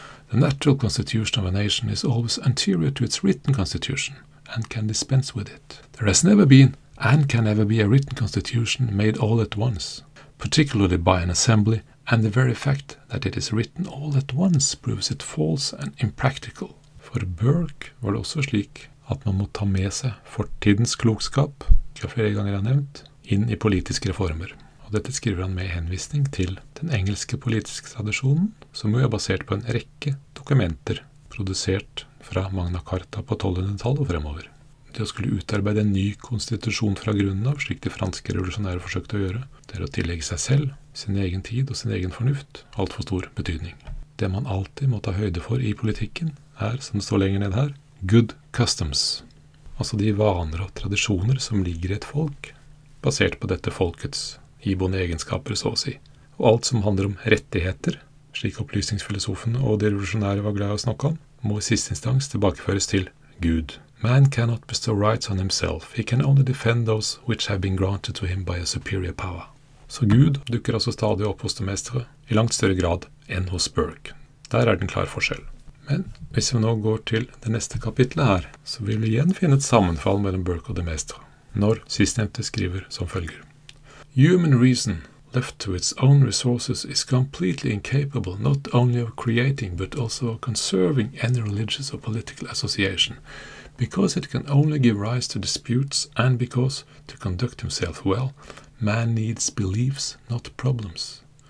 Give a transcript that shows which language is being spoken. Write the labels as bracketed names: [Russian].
[English] The natural constitution of a nation is always anterior to its written constitution, and can dispense with it. There has never been, and can never be, a written constitution made all at once, particularly by an assembly, and the very fact that it is written all at once proves it false and impractical. [Norwegian] For Burke var det også slik at man må ta med seg fortidens klokskap, hva flere ganger har nevnt, inn i politiske reformer. Og dette skriver han med henvisning til den engelske politiske tradisjonen, som jo er basert på en rekke dokumenter produsert fra Magna Carta på 1200-tallet og fremover. Det å skulle utarbeide en ny konstitusjon fra grunnen av, slik de franske revolusjonære forsøkte å gjøre, det er å tillegge seg selv, sin egen tid og sin egen fornuft, alt for stor betydning. Det man alltid må ta høyde for i politikken er, som det står lenger ned her, [English] good customs. [Norwegian] Altså de vaner og tradisjoner som ligger i et folk, basert på dette folkets iboende egenskaper, så å si. Og alt som handler om rettigheter, slik opplysningsfilosofen og de revolusjonære var glad i å snakke om, må i siste instans tilbakeføres til Gud. [English] Man cannot bestow rights on himself. He can only defend those which have been granted to him by a superior power. [Norwegian] Så Gud dukker altså stadig opp hos de Maistre, i langt større grad enn hos Burke. Der er den klar forskjell. Men hvis vi nå går til det neste kapitlet her, så vil vi igjen finne et sammenfall mellom Burke og de Maistre, når sistnevnte skriver som følger. [English] Human reason, left to its own resources, is completely incapable not only of creating, but also of conserving any religious or political association, because it can only give rise to disputes, and because, to conduct himself well, man needs beliefs, not problems.